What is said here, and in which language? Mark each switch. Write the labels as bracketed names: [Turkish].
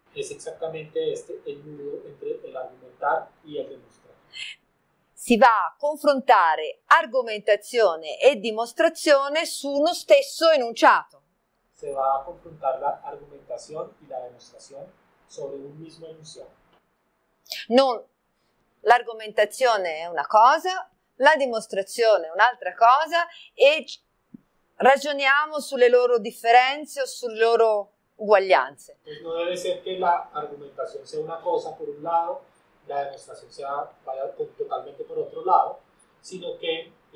[Spanish] Es exactamente este el nudo entre el argumentar y el demostrar. [Italian] Si va a confrontare argomentazione e dimostrazione su uno stesso enunciato. [Spanish] Se va a confrontar la argumentación y la demostración sobre un mismo enunciado. [Italian] Non l'argomentazione è una cosa, la dimostrazione è un'altra cosa e ragioniamo sulle loro differenze o sulle loro uguaglianze. Non deve essere che la argomentazione sia una cosa per un lato, la dimostrazione sia vada totalmente per l'altro lato, sino che